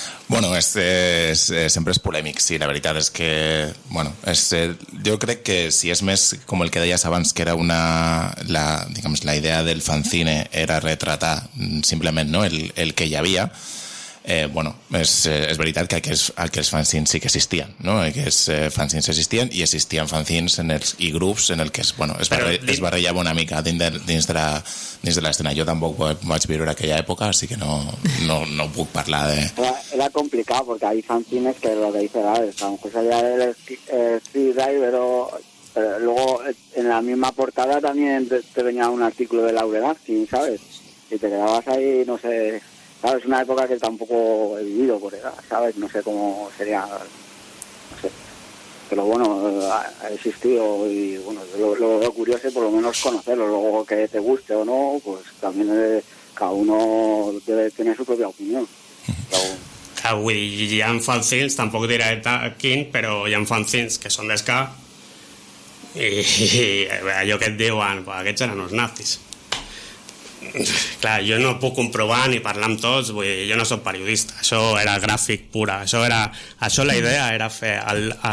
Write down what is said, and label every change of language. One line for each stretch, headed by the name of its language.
Catalan: Bueno, sempre és polèmic, sí, la veritat és que, bueno, jo crec que si és més com el que deies abans, que era una, la, diguem, la idea del fanzine era retratar simplement, no, el que hi havia, bueno, és veritat que aquells fanzines sí que existien, no? Aquests fanzines existien i existien fanzines i grups en el que es barrellava una mica dins de l'escena. Jo tampoc vaig viure aquella època, així que no puc parlar de...
Spanish: Era complicat, perquè hi ha fanzines que lo que dice, ¿vale? A lo mejor salía el Screwdriver, pero luego en la misma portada también te venía un artículo de Laurel Acting, ¿sabes? Y te quedabas ahí, no sé... Claro, es una época que tampoco he vivido por edad, ¿sabes? No sé cómo sería, no sé. Pero bueno, ha existido y, bueno, lo veo curioso por lo menos conocerlo. Luego que te guste o no, pues también cada uno debe tener su propia opinión.
Catalan: Avui hi ha fanzines, tampoc diré quin, però hi ha fanzines que són d'esca i allò que et diuen, pues, aquests eren els nazis. Clar, jo no puc comprovar ni parlar amb tots, vull dir, jo no soc periodista, això era gràfic pura, això la idea era fer el...